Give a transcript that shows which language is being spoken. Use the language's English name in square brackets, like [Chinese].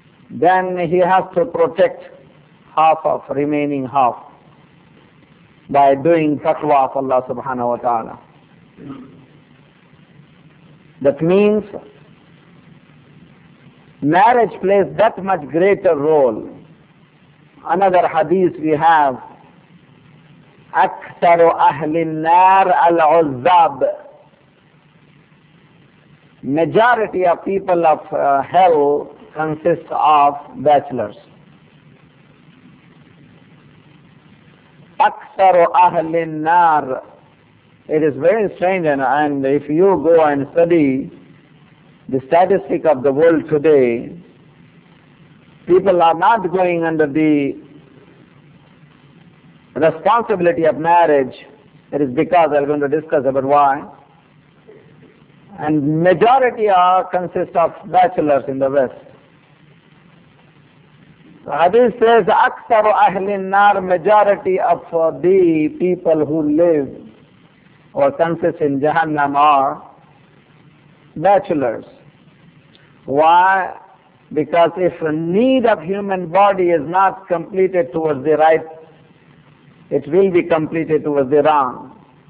[English] Then he has to protect half of remaining half by doing taqwa of Allah subhanahu wa ta'ala. That means marriage plays that much greater role. Another hadith we have, [Arabic] أَكْثَرُ أَهْلِ النَّارِ الْعُذَّابِ. [English] Majority of people of hell consist of bachelors. [Arabic] أَكْثَرُ أَهْلِ النَّارِ. [English] It is very strange, and if you go and study the statistic of the world today, people are not going under the responsibility of marriage. It is because, I am going to discuss about why. And majority are consist of bachelors in the West. The hadith says, [Arabic] أَكْثَرُ أَهْلِ النَّارِ. [English] Majority of the people who live or consist in Jahannam are bachelors. Why? Because if the need of human body is not completed towards the right, it will be completed towards the wrong.